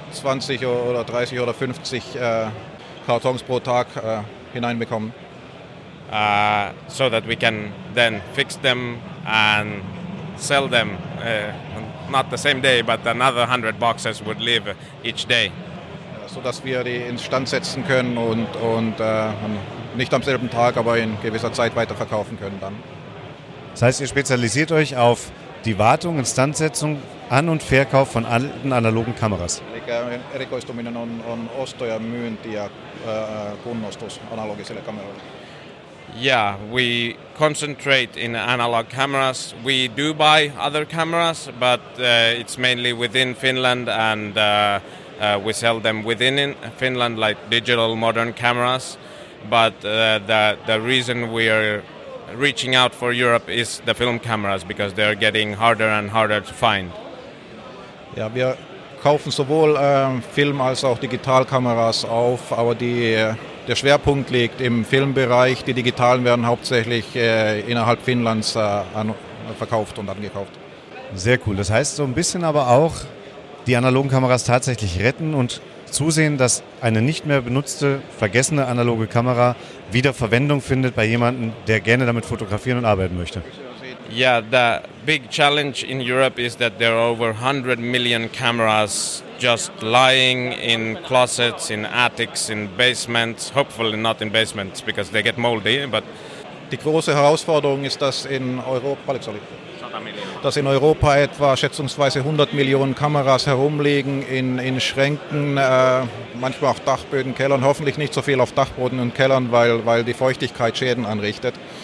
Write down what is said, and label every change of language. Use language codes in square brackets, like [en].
[de] 20 oder 30 oder 50 Kartons pro Tag hineinbekommen. [en] So that we can then fix them and sell them. Not the same day, but another 100 boxes would leave each day. [de] So dass wir die instand setzen können und nicht am selben Tag, aber in gewisser Zeit weiterverkaufen können dann. Das heißt, ihr spezialisiert euch auf die Wartung, Instandsetzung, An- und Verkauf von alten analogen Kameras. [fi] Erikoistuminen on ostoja myyntiä kunnostus analogisille kameroille. [en] Yeah, we concentrate in analog cameras. We do buy other cameras, but it's mainly within Finland, and we sell them within Finland, like digital modern cameras. But the reason we are reaching out for Europe is the film cameras, because they are getting harder and harder to find. [de] Yeah, wir kaufen sowohl Film als auch Digitalkameras auf, aber der Schwerpunkt liegt im Filmbereich. Die Digitalen werden hauptsächlich innerhalb Finnlands verkauft und angekauft. Sehr cool. Das heißt, so ein bisschen aber auch die analogen Kameras tatsächlich retten und zusehen, dass eine nicht mehr benutzte, vergessene analoge Kamera wieder Verwendung findet bei jemandem, der gerne damit fotografieren und arbeiten möchte. [en] Yeah, the big challenge in Europe is that there are over 100 million cameras just lying in closets, in attics, in basements, hopefully not in basements because they get moldy, but [de] die große Herausforderung ist, dass in Europa etwa schätzungsweise 100 Millionen Kameras herumliegen in Schränken, manchmal auch Dachböden, Kellern, hoffentlich nicht so viel auf Dachboden und Kellern, weil die Feuchtigkeit Schäden anrichtet.